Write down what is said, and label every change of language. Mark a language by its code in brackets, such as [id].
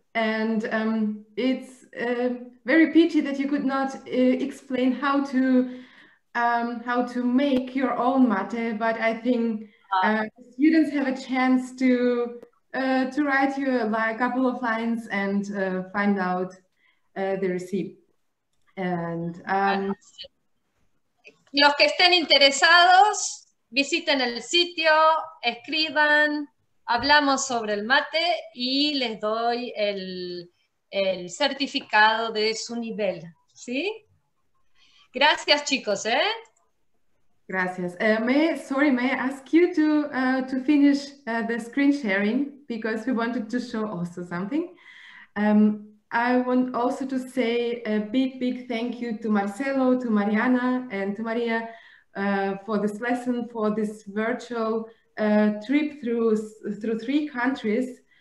[en] And it's very pity that you could not explain how to make your own mate, but I think students have a chance to write you like a couple of lines and find out the recipe. And [es] los que estén interesados, visiten el sitio, escriban, hablamos sobre el mate y les doy el certificado de su nivel, ¿sí? Gracias, chicos, eh? Gracias. [en] May I ask you to finish the screen sharing, because we wanted to show also something. I want also to say a big, big thank you to Marcelo, to Mariana, and to Maria for this lesson, for this virtual trip through three countries.